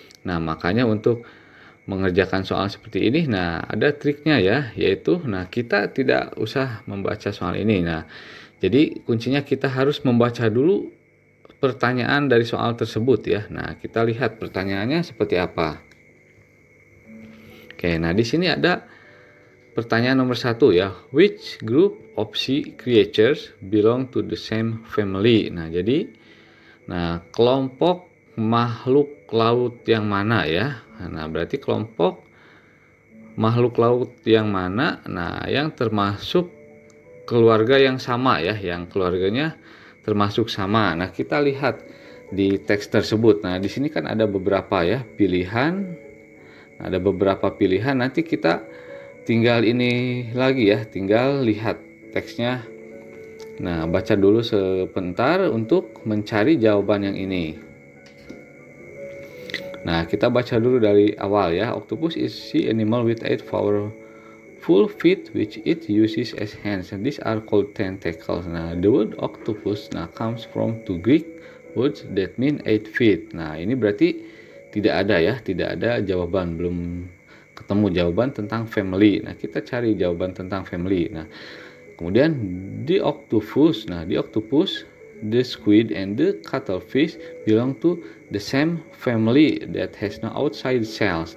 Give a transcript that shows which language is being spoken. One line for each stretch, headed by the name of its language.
Indonesian: Nah, makanya untuk mengerjakan soal seperti ini, ada triknya ya, yaitu kita tidak usah membaca soal ini. Nah, jadi kuncinya kita harus membaca dulu pertanyaan dari soal tersebut ya. Nah, kita lihat pertanyaannya seperti apa. Oke, di sini ada pertanyaan nomor 1 ya.
English: Which group of sea creatures belong to the same family?
Indonesian: Nah, jadi kelompok makhluk laut yang mana ya? Nah, berarti kelompok makhluk laut yang mana? Nah, yang termasuk keluarga yang sama ya, yang keluarganya termasuk sama. Nah, kita lihat di teks tersebut. Nah, di sini kan ada beberapa ya pilihan. Ada beberapa pilihan. Nanti kita tinggal ini lagi ya, tinggal lihat teksnya. Nah, baca dulu sebentar untuk mencari jawaban yang ini. Nah, kita baca dulu dari awal ya.
English: Octopus is sea animal with 8 powerful feet which it uses as hands, and these are called tentacles. Nah, the word octopus comes from two Greek words that mean 8 feet.
Indonesian: Nah, ini berarti tidak ada ya, tidak ada jawaban, belum ketemu jawaban tentang family. Nah, kita cari jawaban tentang family. Nah, kemudian
English: the octopus, the squid and the cuttlefish belong to the same family that has no outside cells.